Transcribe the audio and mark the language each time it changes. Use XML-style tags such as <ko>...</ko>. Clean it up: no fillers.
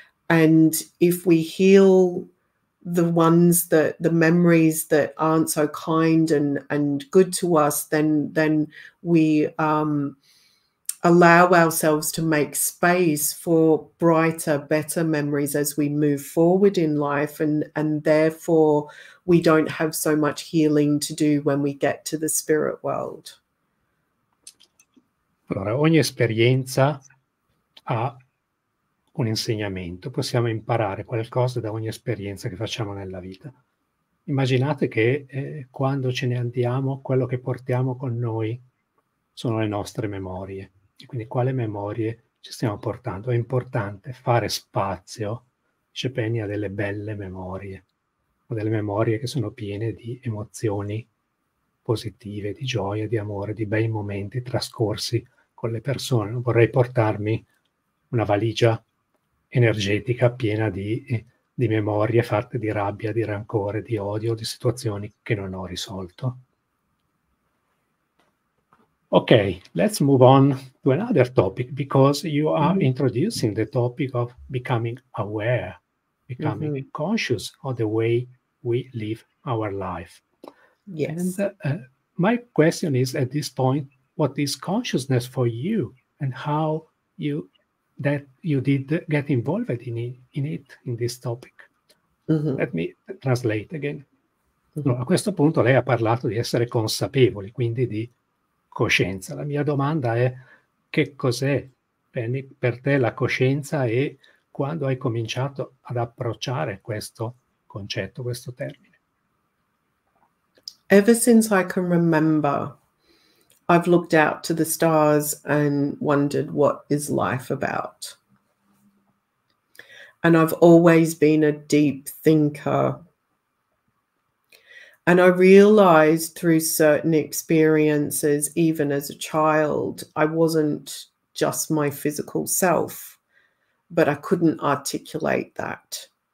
<en>And if we heal the memories that aren't so kind and good to us, then we allow ourselves to make space for brighter, better memories as we move forward in life, and therefore we don't have so much healing to do when we get to the spirit world.</en> <it>Allora, ogni esperienza ha un insegnamento, possiamo imparare qualcosa da ogni esperienza che facciamo nella vita. Immaginate che quando ce ne andiamo, quello che portiamo con noi sono le nostre memorie. E quindi quale memorie ci stiamo portando? È importante fare spazio, dice Penny, a delle belle memorie, o delle memorie che sono piene di emozioni positive, di gioia, di amore, di bei momenti trascorsi con le persone. Non vorrei portarmi una valigia energetica piena di memorie fatte di rabbia, di rancore, di odio, di situazioni che non ho risolto.</it> <en>Ok, let's move on to another topic, because you are introducing the topic of becoming aware, becoming conscious of the way we live our life. Yes. And my question is, at this point, what is consciousness for you and how you did get involved in it, in this topic? Mm-hmm. Let me translate again.</en> <it>Allora, a questo punto lei ha parlato di essere consapevoli, quindi di coscienza. La mia domanda è: che cos'è per te la coscienza e quando hai cominciato ad approcciare questo concetto, questo termine?</it> <en>Ever since I can remember, I've looked out to the stars and wondered what is life about. And I've always been a deep thinker. And I realized through certain experiences, even as a child, I wasn't just my physical self, but I couldn't articulate that.</en>